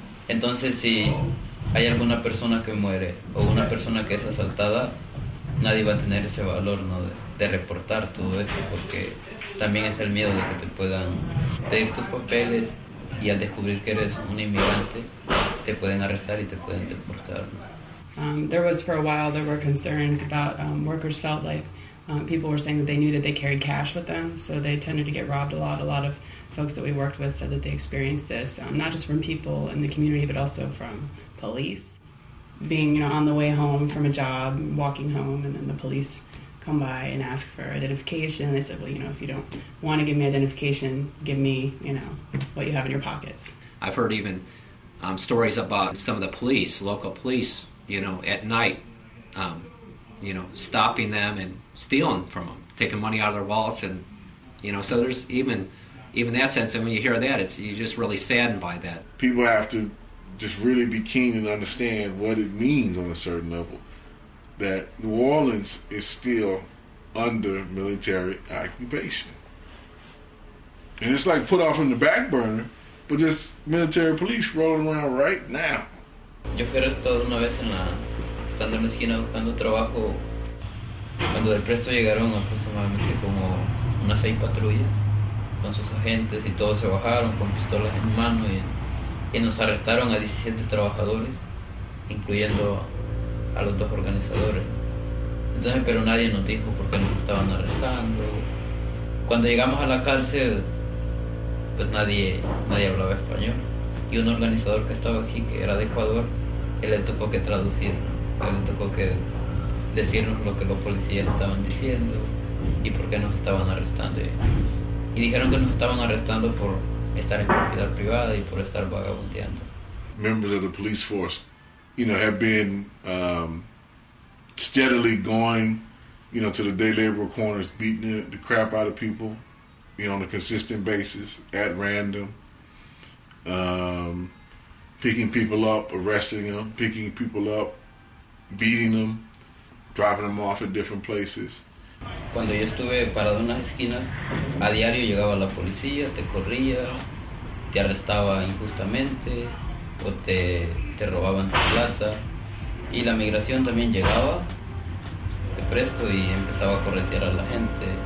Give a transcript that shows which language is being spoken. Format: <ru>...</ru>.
<es>Entonces, si hay alguna persona que muere o una persona que es asaltada, nadie va a tener ese valor, ¿no?, de reportar todo esto, porque también está el miedo de que te puedan pedir tus papeles y al descubrir que eres un inmigrante te pueden arrestar y te pueden deportar.</es> <en>There was for a while there were concerns about workers felt like people were saying that they knew that they carried cash with them, so they tended to get robbed a lot. A lot of folks that we worked with said that they experienced this, not just from people in the community but also from police. Being, you know, on the way home from a job, walking home, and then the police come by and ask for identification. They said, well, you know, if you don't want to give me identification, give me, you know, what you have in your pockets. I've heard even stories about some of the police, local police, you know, at night, you know, stopping them and stealing from them, taking money out of their wallets. And, you know, so there's even that sense. And when you hear that, it's, you're just really saddened by that. People have to just really be keen and understand what it means on a certain level. That New Orleans is still under military occupation. And it's like put off in the back burner, but just military police rolling around right now.</en> <es>Yo fui arrestado una vez estando en la esquina buscando trabajo, cuando de presto llegaron aproximadamente como unas 6 patrullas con sus agentes, y todos se bajaron con pistolas en mano y nos arrestaron a 17 trabajadores, incluyendo a los dos organizadores. Entonces, pero nadie nos dijo por qué nos estaban arrestando. Cuando llegamos a la cárcel, pues nadie hablaba español. Y un organizador que estaba aquí, que era de Ecuador, él le tocó que traducir, ¿no? Él le tocó que decirnos lo que los policías estaban diciendo y por qué nos estaban arrestando. Y dijeron que nos estaban arrestando por estar en propiedad privada y por estar vagabundeando.</es> <en>Members of the police force, you know, have been steadily going, you know, to the day laborer corners, beating the crap out of people, you know, on a consistent basis, at random, picking people up, arresting them, picking people up, beating them, dropping them off at different places.</en> <es>Cuando yo estuve parado en las esquinas, a diario llegaba la policía, te corría, te arrestaba injustamente, o te robaban tu plata, y la migración también llegaba de presto y empezaba a corretear a la gente.</es>